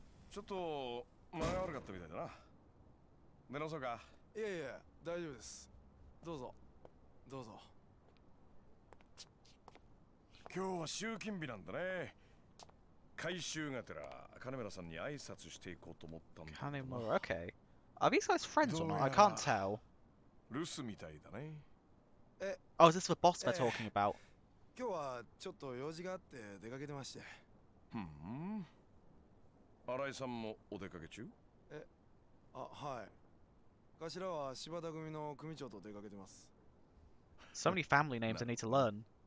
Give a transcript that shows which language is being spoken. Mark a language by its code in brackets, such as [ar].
[ja] ちょっと前が悪かったみたいだな。寝なそうか。いやいや、大丈夫です。どうぞ、どうぞ。今日は集金日なんだね。回収がてら、金村さんに挨拶していこうと思ったんだ。金村、OK。 [en] Are these guys friends or not? I can't tell. [ja] 留守みたいだね。え、 [en] Oh, is this the boss they're talking about? [ja] 今日はちょっと用事があって出かけてまして。ふん。新井さんもお出かけ中？え、あ、はい。頭は柴田組の組長と出かけてます。 [en] So many family names I need to learn.